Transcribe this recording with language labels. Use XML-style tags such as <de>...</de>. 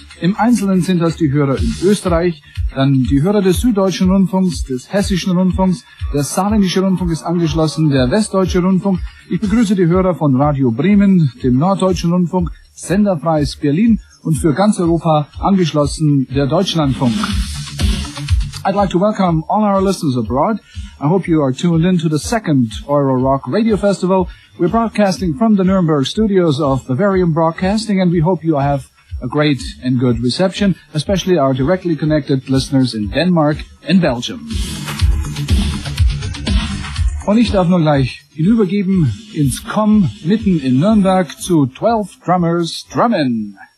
<de>Im Einzelnen sind das die Hörer in Österreich, dann die Hörer des Süddeutschen Rundfunks, des Hessischen Rundfunks, der Saarländische Rundfunk ist angeschlossen, der Westdeutsche Rundfunk. Ich begrüße die Hörer von Radio Bremen, dem Norddeutschen Rundfunk, Senderfreies Berlin und für ganz Europa angeschlossen der Deutschlandfunk.</de> <en>I'd like to welcome all our listeners abroad. I hope you are tuned in to the second Euro Rock Radio Festival. We're broadcasting from the Nuremberg studios of Bavarian Broadcasting, and we hope you have a great and good reception, especially our directly connected listeners in Denmark and Belgium.</en> <de>Und ich darf nun gleich hinübergeben ins Komm mitten in Nürnberg zu 12 Drummers Drummen.</de>